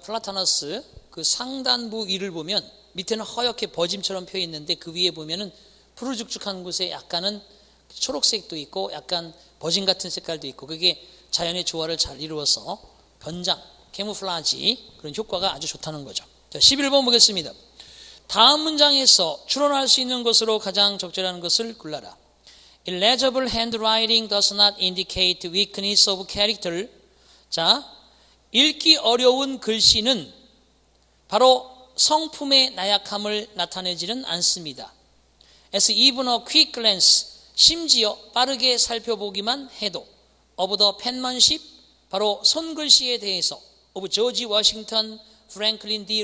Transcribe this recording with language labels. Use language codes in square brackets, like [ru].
[ko] 플라타너스 그 상단부 위를 보면 밑에는 허옇게 버짐처럼 펴 있는데 그 위에 보면은 푸르죽죽한 곳에 약간은 초록색도 있고 약간 버짐 같은 색깔도 있고 그게 자연의 조화를 잘 이루어서 변장, 캐무플라지 그런 효과가 아주 좋다는 거죠. 자, 11번 보겠습니다. 다음 문장에서 추론할 수 있는 것으로 가장 적절한 것을 골라라. [en] Illegible handwriting does not indicate weakness of character. [ko] 자, 읽기 어려운 글씨는 바로 성품의 나약함을 나타내지는 않습니다. [en] As even a quick glance, [ko] 심지어 빠르게 살펴보기만 해도 [en] of the penmanship, [ko] 바로 손글씨에 대해서 [en] of George Washington, Franklin D.